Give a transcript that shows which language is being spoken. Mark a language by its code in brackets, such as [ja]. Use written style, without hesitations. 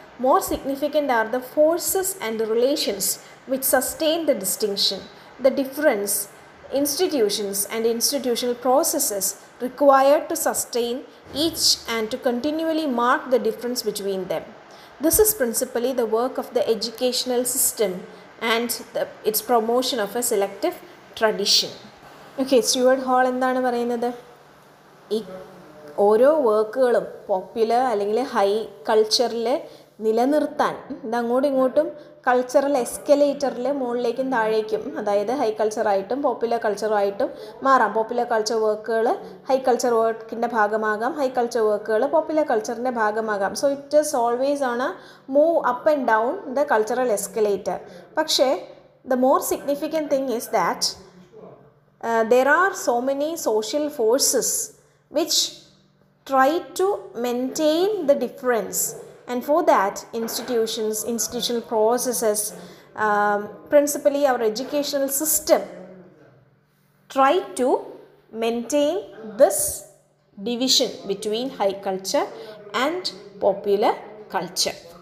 [en] More significant are the forces and the relations which sustain the distinction, the difference, institutions and institutional processes required to sustain each and to continually mark the difference between them. This is principally the work of the educational system and its promotion of a selective tradition. [ml] Okay, Stuart Hall എന്താണ് പറയുന്നത്? ഈ ഓരോ വർക്കുകളും popular അല്ലെങ്കിൽ high കൾച്ചറിൽ നിലനിർത്താൻ ഇതങ്ങോട്ടും ഇങ്ങോട്ടും cultural എസ്കലേറ്ററിൽ മുകളിലേക്കും താഴേക്കും, അതായത് ഹൈ കൾച്ചറായിട്ടും പോപ്പുലർ കൾച്ചറുമായിട്ടും മാറാം. പോപ്പുലർ കൾച്ചർ വർക്കുകൾ ഹൈ കൾച്ചർ വർക്കിൻ്റെ ഭാഗമാകാം, ഹൈ കൾച്ചർ വർക്കുകൾ popular കൾച്ചറിൻ്റെ ഭാഗമാകാം. [en] So it is always on a move up and down the cultural escalator. [ml] പക്ഷേ [en] The more significant thing is that there are so many social forces which try to maintain the difference. And for that, institutions, institutional processes, principally our educational system, try to maintain this division between high culture and popular culture.